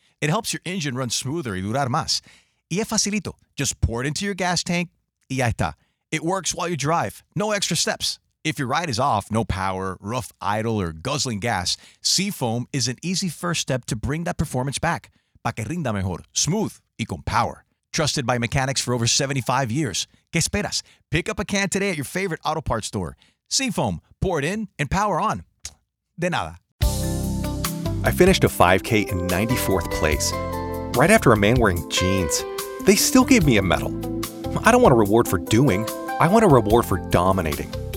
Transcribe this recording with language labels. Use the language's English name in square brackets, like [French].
[English] It helps your engine run smoother [Spanish] y durar más. Y es facilito. [English] Just pour it into your gas tank [Spanish] y ya está. [English] It works while you drive. No extra steps. If your ride is off, no power, rough idle, or guzzling gas, Seafoam is an easy first step to bring that performance back. [Spanish] Pa que rinda mejor, smooth, y con power. [English] Trusted by mechanics for over 75 years. [Spanish] ¿Qué esperas? [English] Pick up a can today at your favorite auto parts store. Seafoam, pour it in and power on. [Spanish] De nada. [English] I finished a 5K in 94th place, right after a man wearing jeans. They still gave me a medal. I don't want a reward for doing, I want a reward for dominating.